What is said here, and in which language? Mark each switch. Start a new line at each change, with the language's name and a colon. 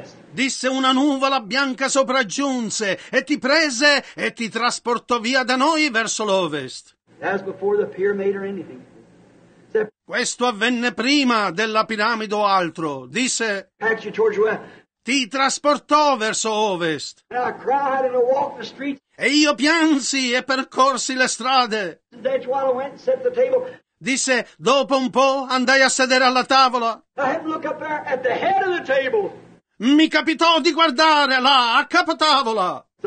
Italian: Disse, una nuvola bianca sopraggiunse e ti prese e ti trasportò via da noi verso l'ovest.
English: As before the pyramid or anything.
Italian: Questo avvenne prima della piramide o altro, disse, ti trasportò verso ovest.
English: And I cried and I walked the streets.
Italian: E io piansi e percorsi le strade.
English: That's why I went and set the table.
Italian: Disse, dopo un po' andai a sedere alla tavola.
English: I had to look up there at the head of the table.
Italian: Mi capitò di guardare là, a capo tavola.